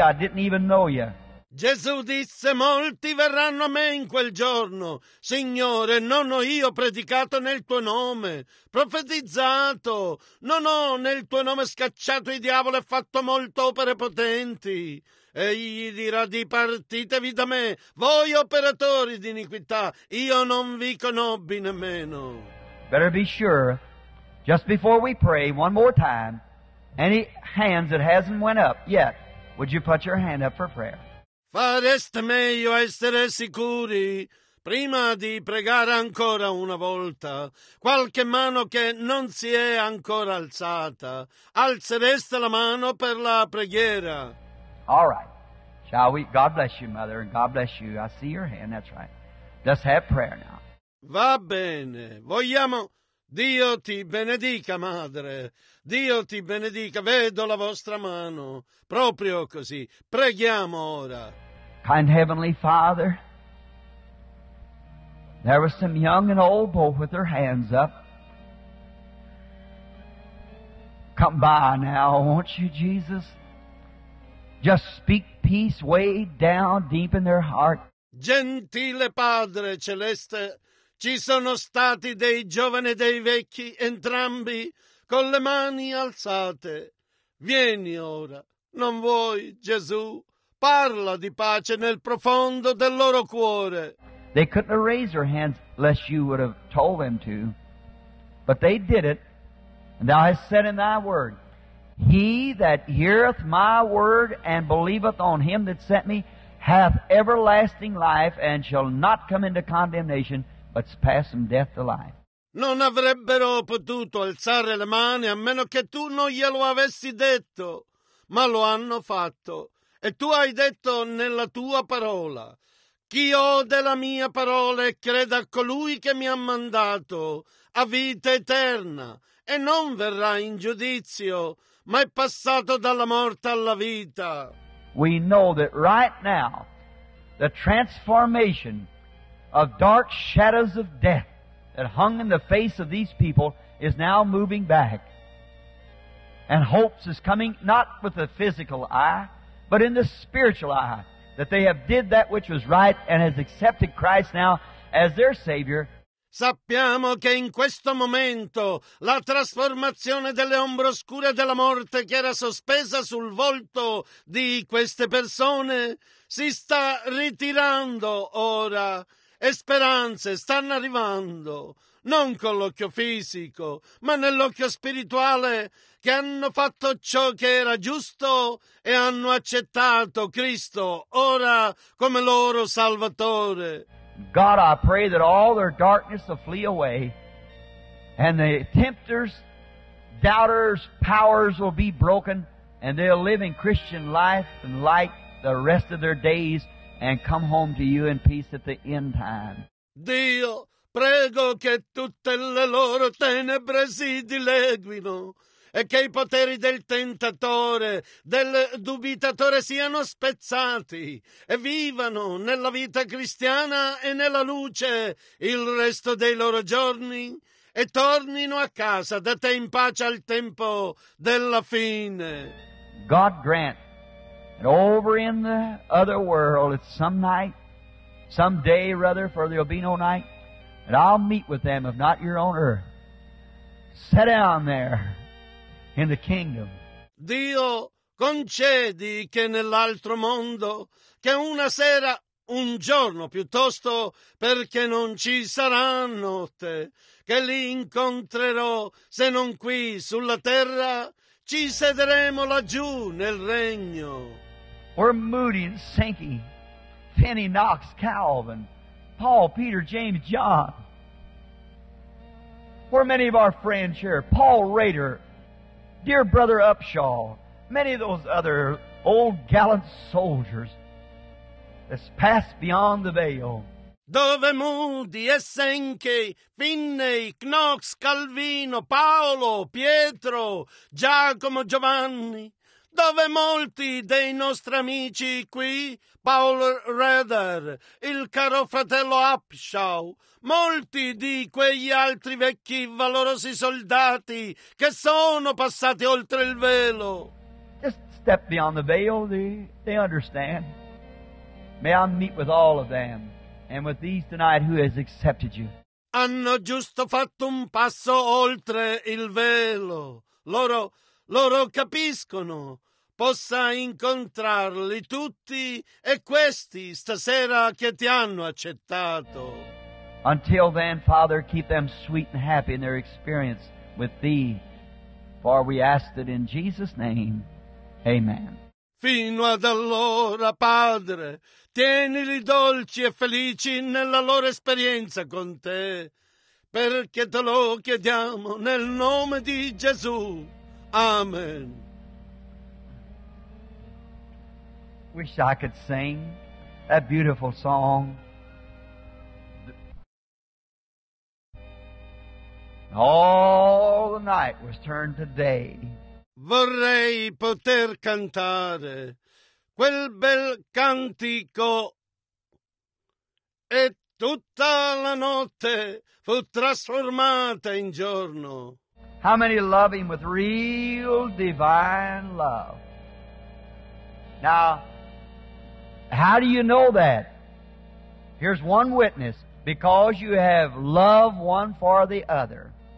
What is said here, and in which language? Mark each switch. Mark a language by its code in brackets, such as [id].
[en] I didn't even know you. [it] Gesù disse, molti verranno a me in quel giorno. Signore, non ho io predicato nel tuo nome, profetizzato. Non ho nel tuo nome scacciato i diavoli e fatto molte opere potenti. Egli dirà, dipartitevi da me, voi operatori di iniquità. Io non vi conobbi nemmeno. [en] Better be sure, just before we pray one more time, any hands that hasn't went up yet, would you put your hand up for prayer? [it] Fareste meglio essere sicuri prima di pregare ancora una volta. Qualche mano che non si è ancora alzata. Alzereste la mano per la preghiera. [en] All right. Shall we? God bless you, Mother, and God bless you. I see your hand, that's right. Let's have prayer now. [it] Va bene. Vogliamo... Dio ti benedica, Madre. Dio ti benedica. Vedo la vostra mano. Proprio così. Preghiamo ora. [en] Kind Heavenly Father, there were some young and old both with their hands up. Come by now, won't you, Jesus? Just speak peace way down deep in their heart. [it] Gentile Padre Celeste, ci sono stati dei giovani e dei vecchi, entrambi, con le mani alzate. Vieni ora, non vuoi, Gesù? Parla di pace nel profondo del loro cuore. [en] They couldn't raise their hands lest you would have told them to. But they did it, and thou hast said in thy word, he that heareth my word and believeth on him that sent me hath everlasting life and shall not come into condemnation, but pass from death to life. [it] Non avrebbero potuto alzare le mani a meno che tu non glielo avessi detto, ma lo hanno fatto. E tu hai detto nella tua parola, chi ode la mia parola e creda a colui che mi ha mandato a vita eterna e non verrà in giudizio, ma è passato dalla morte alla vita. [en] We know that right now the transformation of dark shadows of death that hung in the face of these people is now moving back. And hopes is coming not with the physical eye, but in the spiritual eye, that they have did that which was right and has accepted Christ now as their Savior. [it] Sappiamo che in questo momento la trasformazione delle ombre oscure della morte che era sospesa sul volto di queste persone si sta ritirando ora. E speranze stanno arrivando, non con l'occhio fisico, ma nell'occhio spirituale, che hanno fatto ciò che era giusto e hanno accettato Cristo ora come loro Salvatore. [en] God, I pray that all their darkness will flee away and the tempters, doubters, powers will be broken and they'll live in Christian life and light the rest of their days and come home to you in peace at the end time. [it] Dio, prego che tutte le loro tenebre si dileguino e che i poteri del tentatore, del dubitatore siano spezzati e vivano nella vita cristiana e nella luce il resto dei loro giorni e tornino a casa da te in pace al tempo della fine. [en] God grant. And over in the other world, at some night, some day or other, for there'll be no night, and I'll meet with them, if not here on earth. Sit down there in the kingdom. [it] Dio, concedi che nell'altro mondo, che una sera, un giorno piuttosto, perché non ci sarà notte, che li incontrerò, se non qui sulla terra, ci sederemo laggiù nel regno. [en] We're Moody and Sankey, Finney, Knox, Calvin, Paul, Peter, James, John. We're many of our friends here, Paul Rader, dear brother Upshaw, many of those other old gallant soldiers that's passed beyond the veil. [it] Dove Moody e Sankey, Finney, Knox, Calvino, Paolo, Pietro, Giacomo, Giovanni. Dove molti dei nostri amici qui, Paul Rader, il caro fratello Upshaw, molti di quegli altri vecchi valorosi soldati che sono passati oltre il velo. [en] Just step beyond the veil, they understand. May I meet with all of them and with these tonight who has accepted you. [it] Hanno giusto fatto un passo oltre il velo. Loro capiscono. Possa incontrarli tutti e questi stasera che ti hanno accettato. [en] Until then, Father, keep them sweet and happy in their experience with thee. For we ask it in Jesus' name. Amen. [it] Fino ad allora, Padre, tienili dolci e felici nella loro esperienza con te, perché te lo chiediamo nel nome di Gesù. Amen. [en] Wish I could sing that beautiful song. All the night was turned to day. [it] Vorrei poter cantare quel bel cantico e tutta la notte fu trasformata in giorno. [en] How many love him with real divine love? Now, how do you know that? Here's one witness. Because you have love one for the other.